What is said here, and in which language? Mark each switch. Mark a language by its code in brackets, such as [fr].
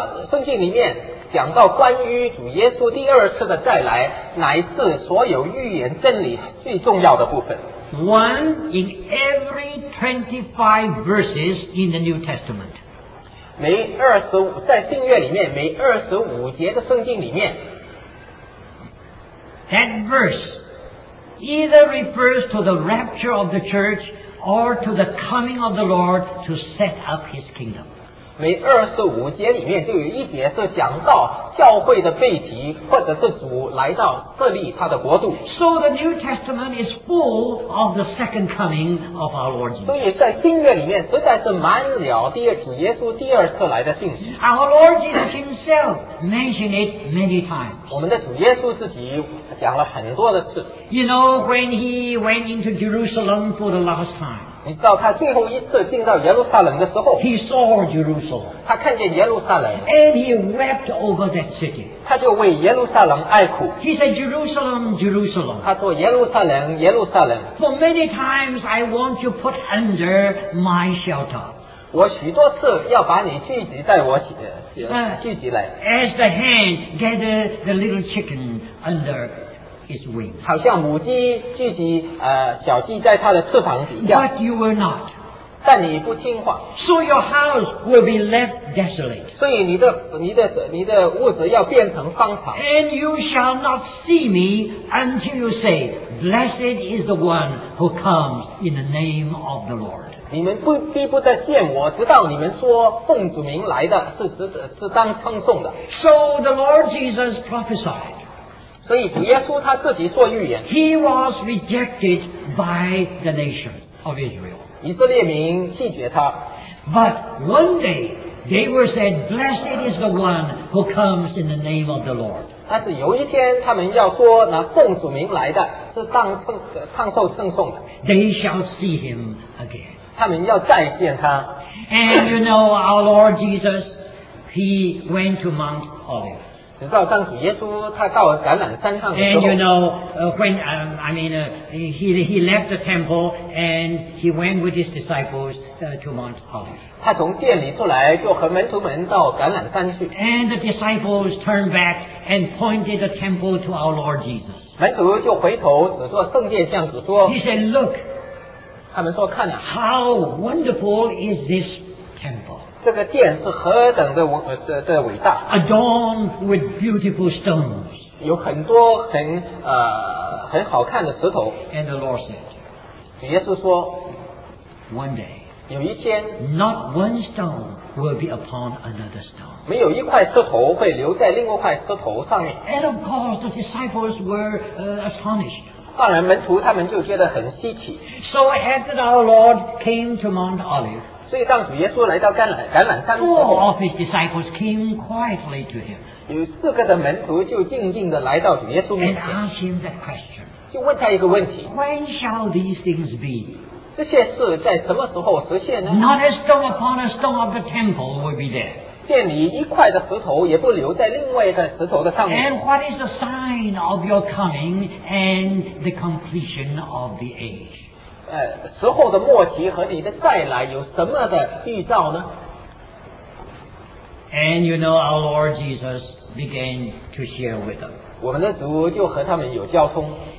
[zh] 圣经里面讲到关于主耶稣第二次的再来，乃是所有预言真理最重要的部分。 [en] One in every 25 verses in the New Testament. [zh] 每二十五在新约里面每二十五节的圣经里面 [en] That verse either refers to the rapture of the church or to the coming of the Lord to set up his kingdom. [zh] 每二十五节里面就有一节是讲到教会的背题，或者是主来到设立他的国度。 [en] So the New Testament is full of the second coming of our Lord Jesus. [zh] 所以在新约里面实在是满了第二主耶稣第二次来的信息。 [en] Our Lord Jesus Himself mentioned it many times. [zh] 我们的主耶稣自己讲了很多的次。 [en] You know when He went into Jerusalem for the last time. [zh] 你知道他最后一次进到耶路撒冷的时候 [en] He saw Jerusalem [zh] 他看见耶路撒冷 [en] And he wept over that city [zh] 他就为耶路撒冷哀哭 [en] He said Jerusalem, Jerusalem [zh] 他说耶路撒冷耶路撒冷 [en] For many times I want you put under my shelter [zh] 我许多次要把你聚集在我聚集来 [en] As the hen gathered the little chicken under His wings. [zh] 好像母鸡聚集小鸡在它的翅膀底下。 [en] But you were not. [zh] 但你不听话。 [en] So your house will be left desolate. [zh] 所以你的屋子要变成荒场。 [en] And you shall not see me until you say, Blessed is the one who comes in the name of the Lord. [zh] 你们必不再见我，直到你们说奉主名来的是当称颂的。 [en] So the Lord Jesus prophesied. [zh] 所以主耶稣他自己做预言 [en] He was rejected by the nation of Israel [zh] 以色列民拒绝他 [en] But one day they were said Blessed is the one who comes in the name of the Lord [zh] 但是有一天他们要说那奉主名来的是当唱受圣颂的 [en] They shall see him again [zh] 他们要再见他 [en] And you know our Lord Jesus He went to Mount Olives And you know, when, I mean, he left the temple and he went with his disciples to Mount Olives. And the disciples turned back and pointed the temple to our Lord Jesus. He said, look, how wonderful is this temple. [zh] 这个殿是何等的伟大 [en] Adorned with beautiful stones [zh] 有很多很好看的石头 [en] And the Lord said [zh] 主耶稣说 [en] One day [zh] 有一天 [en] Not one stone will be upon another stone [zh] 没有一块石头会留在另外一块石头上面 [en] And of course the disciples were astonished [zh] 当然门徒他们就觉得很稀奇 [en] So after our Lord came to Mount Olive [zh] 所以当主耶稣来到橄榄山的时候 [en] Four of his disciples came quietly to him [zh] 有四个的门徒就静静地来到主耶稣面前 [en] And asked him that question [zh] 就问他一个问题 [en] When shall these things be? [zh] 这些事在什么时候实现呢 [en] Not a stone upon a stone of the temple will be there [zh] 见你一块的石头也不留在另外一块石头的上面 [en] And what is the sign of your coming and the completion of the age? [zh] 时候的末期和你的再来有什么的预兆呢 [en] And you know our Lord Jesus began to share with them [zh] 我们的主就和他们有交通